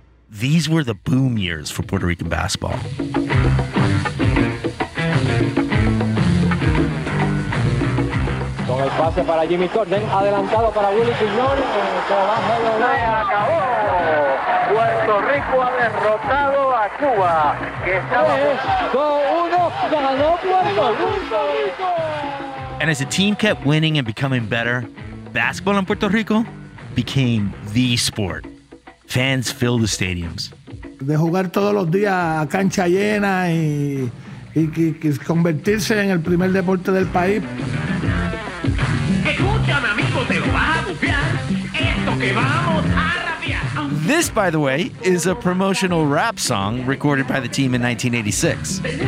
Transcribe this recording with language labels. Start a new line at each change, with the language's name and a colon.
English: These were the boom years for Puerto Rican basketball. And as the team kept winning and becoming better, basketball in Puerto Rico became the sport. Fans filled the stadiums.
Spanish: De jugar todos los días a cancha llena y convertirse en el primer deporte del país. Escúchame, amigo, te lo vas a bufiar. Esto que vamos a
English: This, by the way, is a promotional rap song recorded by the team in 1986.